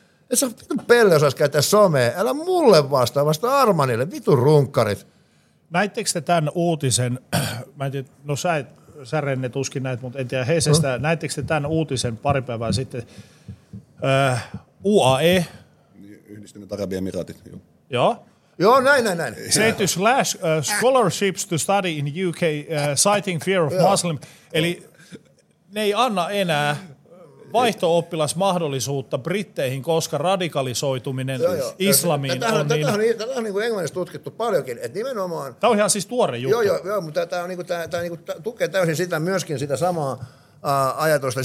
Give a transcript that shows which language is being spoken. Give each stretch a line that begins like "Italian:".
Finnish: Et sä pelle osais käyttää somea, älä mulle vastaa, vasta Armanille, vitun runkkarit. Näittekö te tämän uutisen, mä en tiedä, no sä Renne tuskin näit, mutta en tiedä Hesestä, näittekö te tämän uutisen pari päivää sitten, UAE? Yhdistyneet Arabian Emiraatit, joo. Joo? Joo, näin.
English: Say to slash scholarships to study in UK, citing fear of Muslim.
Finnish: Eli ne ei anna enää vaihto-oppilas mahdollisuutta britteihin, koska radikalisoituminen islamiin on niin. Tätä on niin englannissa tutkittu paljonkin, että nimenomaan. Tämä on ihan siis tuore juttu. Joo, mutta tämä tukee täysin sitä myöskin sitä samaa ajatusta.